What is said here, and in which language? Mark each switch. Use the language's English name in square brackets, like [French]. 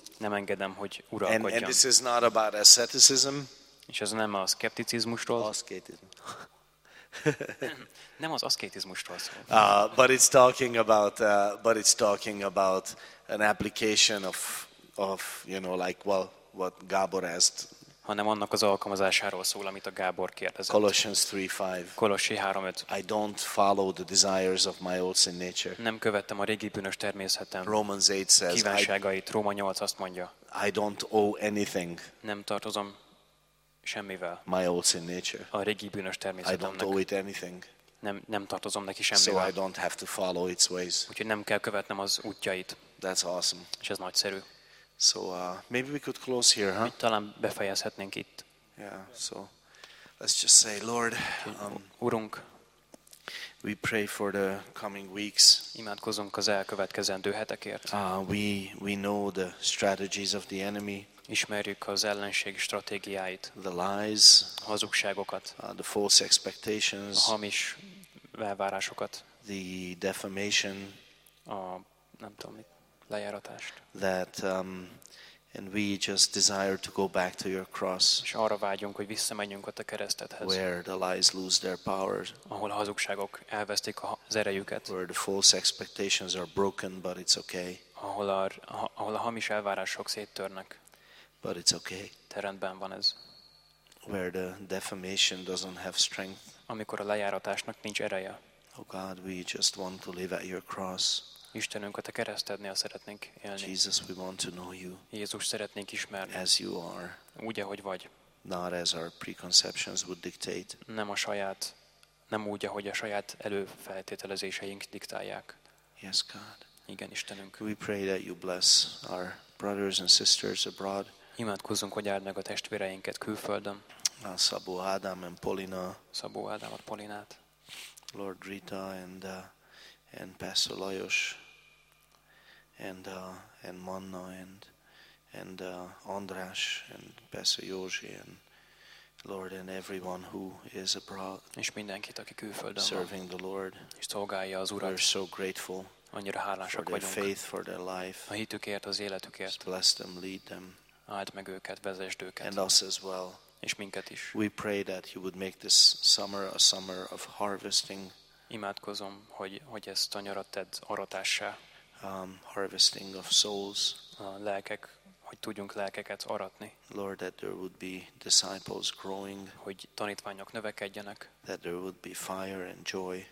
[Hungarian] Nem engedem, hogy uralkodjon. [English] And this is not about asceticism. [Hungarian] És ez nem a szkepticizmusról. [English] Asceticism. [Hungarian] Nem az aszkétizmusról szól. [English] But it's talking about an application of you know like well what Gábor asked. [Hungarian] Hanem annak az alkalmazásáról szól, amit a Gábor kérdezett. [English] Colossians 3:5. I don't follow the desires of my old sin nature. [Hungarian] Nem követtem a régi bűnös természetem. [English] Romans 8 says. [Hungarian] Kívánságait. Róma 8 azt mondja. [English] I don't owe anything. [Hungarian] Nem tartozom semmivel. [English] My old sin nature. [Hungarian] A régi bűnös természetemnek. [English] I don't owe it anything. [Hungarian] Nem tartozom neki semmivel. [English] So I don't have to follow its ways. [Hungarian] Úgyhogy nem kell követnem az útjait. [English] That's awesome. [Hungarian] És ez nagyszerű. [English] So maybe we could close here, huh? [Hungarian] Talán befejezhetnénk itt. [English] Yeah. So let's just say, Lord, [Hungarian] Urunk, [English] we pray for the coming weeks. [Hungarian] Imádkozunk az elkövetkezendő hetekért. [English] We know the strategies of the enemy. [Hungarian] Ismerjük az ellenség stratégiáit. [English] The lies, [Hungarian] a hazugságokat. [English] The false expectations, [Hungarian] a hamis elvárásokat. [English] The defamation, [Hungarian] a nem tudom mit, lejáratást. [English] That and we just desire to go back to your cross. [Hungarian] És arra vágyunk, hogy visszamenjünk ott a keresztethez. [English] Where the lies lose their power, [Hungarian] ahol a hazugságok elvesztik az erejüket. [English] Where the false expectations are broken, but it's okay. [Hungarian] Ahol a hamis elvárások széttörnek. [English] But it's okay. [Hungarian] De rendben van ez. [English] Where the defamation doesn't have strength. [Hungarian] Amikor a lejáratásnak nincs ereje. [English] Oh God, we just want to live at your cross. [Hungarian] Istenünk, a te keresztednél szeretnénk élni. [English] Jesus, we want to know you. [Hungarian] Jézus, szeretnénk ismerni. [English] As you are. [Hungarian] Úgy, ahogy vagy. [English] Not as our preconceptions would dictate. [Hungarian] Nem úgy, ahogy a saját előfeltételezéseink diktálják. [English] Yes, God. [Hungarian] Igen, Istenünk. [English] We pray that you bless our brothers and sisters abroad. [Hungarian] Imádkozzunk, hogy áld meg a testvéreinket külföldön. [English] Szabó Ádám and Polina. [Hungarian] Szabó Ádámot, Polinát. [English] Lord Rita and Pastor Lajos and Manna and András and Pastor Józsi and Lord and everyone who is abroad. [Hungarian] És mindenkit, aki külföldön van. [English] Serving the Lord. [Hungarian] És szolgálja az Urat. [English] We're so grateful. [Hungarian] Annyira hálásak vagyunk. [English] For faith, for their life. [Hungarian] A hitükért, az életükért. [English] Bless them, lead them. [Hungarian] Áld meg őket, vezesd őket. [English] And us as well. [Hungarian] És minket is. [English] We pray that you would make this summer a summer of harvesting. [Hungarian] Imádkozom, hogy ezt a nyarat tedd aratássá. [English] Harvesting of souls. [Hungarian] lelkek, hogy tudjunk lelkeket aratni. [English] Lord, that there would be disciples growing. [Hungarian] Hogy tanítványok növekedjenek. [English] That there would be fire and joy.